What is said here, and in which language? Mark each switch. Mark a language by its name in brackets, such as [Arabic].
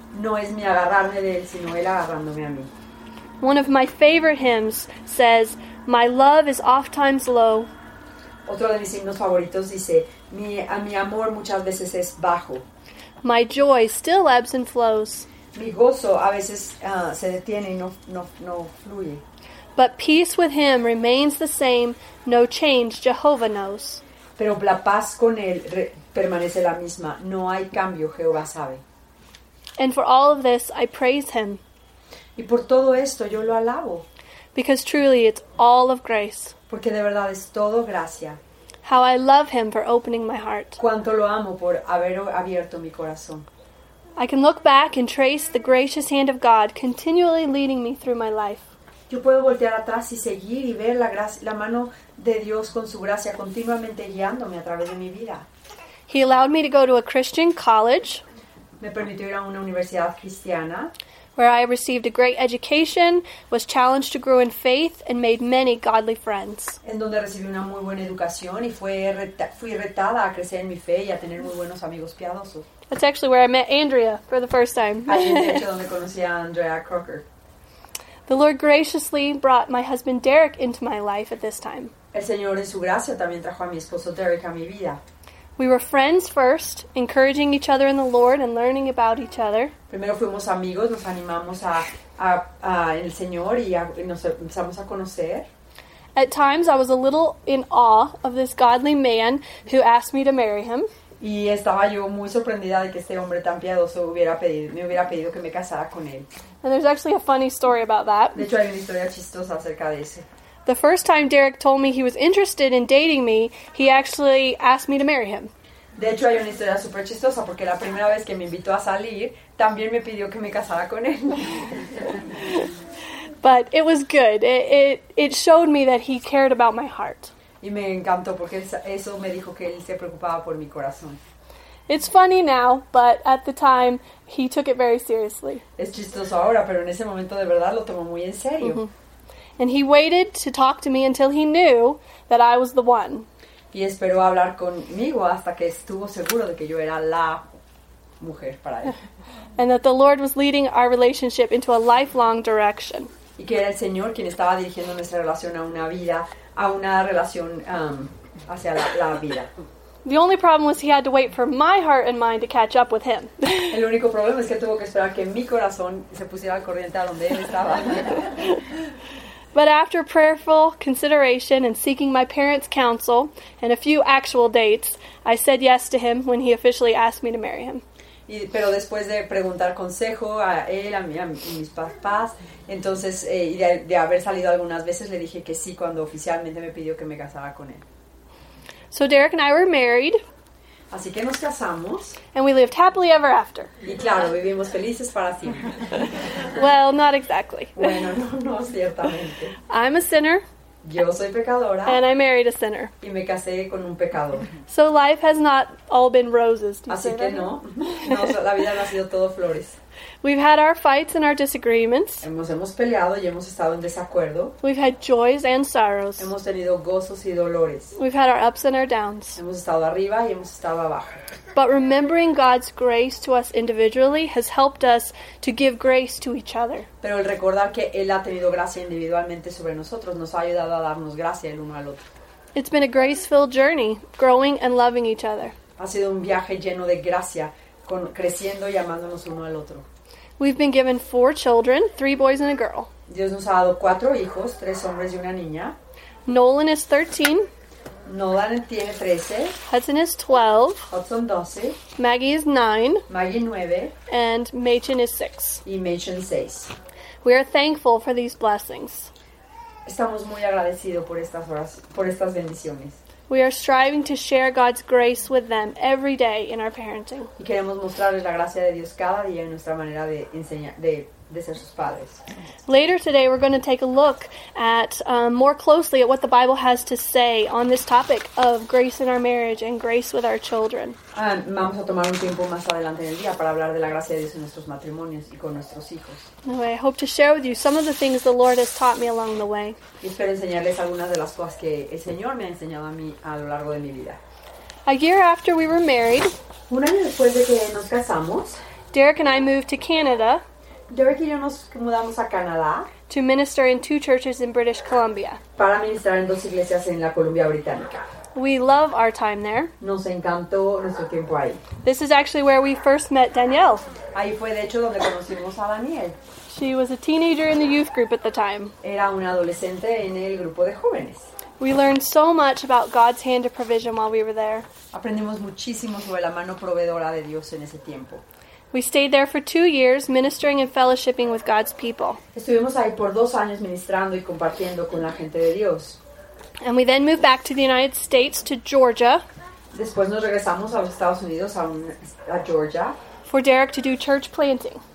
[Spanish] No es mi agarrarme de él, sino él agarrándome a mí. [English] One of my favorite hymns says, My love is oft times low. [Spanish] Otro de mis himnos favoritos dice, mi amor muchas veces es bajo. [English] My joy still ebbs and flows. [Spanish] Mi gozo a veces se detiene y no fluye. [English] But peace with him remains the same, no change Jehovah knows. [Spanish] Pero la paz con él permanece la misma, no hay cambio, Jehová sabe. [English] And for all of this, I praise him. [Spanish] Y por todo esto yo lo alabo. [English] Because truly it's all of grace. [Spanish] Porque de verdad es todo gracia. [English] How I love him for opening my heart. [Spanish] Cuánto lo amo por haber abierto mi corazón. [English] I can look back and trace the gracious hand of God continually leading me through my life. [Spanish] Yo puedo voltear atrás y seguir y ver la mano de Dios con su gracia continuamente guiándome a través de mi vida. [English] He allowed me to go to a Christian college. [Spanish] Me permitió ir a una universidad cristiana. [English] Where I received a great education, was challenged to grow in faith, and made many godly friends. [Spanish] En donde recibí una muy buena educación y fui retada a crecer en mi fe y a tener muy buenos amigos piadosos. [English] That's actually where I met Andrea for the first time. [Spanish] Allí es donde conocí a Andrea Crocker. [English] The Lord graciously brought my husband Derek into my life at this time. [Spanish] El Señor en su gracia también trajo a mi esposo Derek a mi vida. [English] We were friends first, encouraging each other in the Lord and learning about each other. [Spanish] Primero fuimos amigos, nos animamos a en el Señor y nos empezamos a conocer. [English] At times I was a little in awe of this godly man who asked me to marry him. [Spanish] Y estaba yo muy sorprendida de que este hombre tan piadoso me hubiera pedido que me casara con él. [English] And there's actually a funny story about that. [Spanish] De hecho, hay una historia chistosa acerca de eso. [English] The first time Derek told me he was interested in dating me, he actually asked me to marry him. [Spanish] De hecho, hay una historia súper chistosa porque la primera vez que me invitó a salir, también me pidió que me casara con él. [English] But it was good. It showed me that he cared about my heart. [Spanish] Y me encantó porque eso me dijo que él se preocupaba por mi corazón. [English] It's funny now, but at the time, he took it very seriously. [Spanish] Es chistoso ahora, pero en ese momento de verdad lo tomó muy en serio. Mm-hmm. [English] And he waited to talk to me until he knew that I was the one. [Spanish] Y esperó hablar conmigo hasta que estuvo seguro de que yo era la mujer para él. [English] And that the Lord was leading our relationship into a lifelong direction. [Spanish] Y que era el Señor quien estaba dirigiendo nuestra relación a una relación hacia la vida. [English] The only problem was he had to wait for my heart and mind to catch up with him. [Spanish] El único problema es que tuvo que esperar que mi corazón se pusiera al corriente a donde él estaba. [English] But after prayerful consideration and seeking my parents' counsel and a few actual dates, I said yes to him when he officially asked me to marry him. [Spanish] Pero después de preguntar consejo a él, a mis papás, entonces, y de haber salido algunas veces, le dije que sí cuando oficialmente me pidió que me casara con él. [English] So Derek and I were married. [Spanish] Así que nos casamos. [English] And we lived happily ever after. [Spanish] Y claro, vivimos felices para siempre. [English] Well, not exactly. [Spanish] Bueno, no ciertamente. [English] I'm a sinner. [Spanish] Yo soy pecadora. [English] And I married a sinner. [Spanish] Y me casé con un pecador. [English] So life has not all been roses. [Spanish] Así que no. La vida no ha sido todo flores. [English] We've had our fights and our disagreements. [Spanish] Hemos peleado y hemos estado en desacuerdo. [English] We've had joys and sorrows. [Spanish] Hemos tenido gozos y dolores. [English] We've had our ups and our downs. [Spanish] Hemos estado arriba y hemos estado abajo. [English] But remembering God's grace to us individually has helped us to give grace to each other. [Spanish] Pero el recordar que Él ha tenido gracia individualmente sobre nosotros nos ha ayudado a darnos gracia el uno al otro. [English] It's been a grace-filled journey, growing and loving each other. [Spanish] Ha sido un viaje lleno de gracia, creciendo y amándonos uno al otro. [English] We've been given 4 children, 3 boys and a girl. [Spanish] Dios nos ha dado 4 hijos, 3 hombres y una niña. [English] Nolan is 13. [Spanish] Nolan tiene 13. [English] Hudson is 12. [Spanish] Hudson 12. [English] Maggie is 9. [Spanish] Maggie 9. [English] And Machen is 6. [Spanish] Y Machen 6. [English] We are thankful for these blessings. [Spanish] Estamos muy agradecidos por estas bendiciones. [English] We are striving to share God's grace with them every day in our parenting. [Spanish] Y queremos mostrarles la gracia de Dios cada día en nuestra manera de enseñar, de ser sus padres. [English] Later today, we're going to take a look at more closely at what the Bible has to say on this topic of grace in our marriage and grace with our children. [Spanish] Vamos a tomar un tiempo más adelante en el día para hablar de la gracia de Dios en nuestros matrimonios y con nuestros hijos. [English] Anyway, I hope to share with you some of the things the Lord has taught me along the way. [Spanish] Y espero enseñarles algunas de las cosas que el Señor me ha enseñado a mí a lo largo de mi vida. [English] A year after we were married, [Spanish] un año después de que nos casamos, [English] Derek and I moved to Canada. [Spanish] Derek y yo nos mudamos a Canadá [English] to minister in 2 churches in British Columbia. [Spanish] Para ministrar en 2 iglesias en la Columbia Británica. [English] We love our time there. [Spanish] Nos encantó nuestro tiempo ahí. [English] This is actually where we first met Danielle. [Spanish] Ahí fue de hecho donde conocimos a Daniel. [English] She was a teenager in the youth group at the time. [Spanish] Era una adolescente en el grupo de jóvenes. [English] We learned so much about God's hand of provision while we were there. [Spanish] Aprendimos muchísimo sobre la mano proveedora de Dios en ese tiempo. [English] We stayed there for 2 years, ministering and fellowshipping with God's people. [Spanish] Estuvimos ahí por 2 años ministrando y compartiendo con la gente de Dios. [English] And we then moved back to the United States, to Georgia. [Spanish] Después nos regresamos a los Estados Unidos, a Georgia. [English] For Derek to do church planting.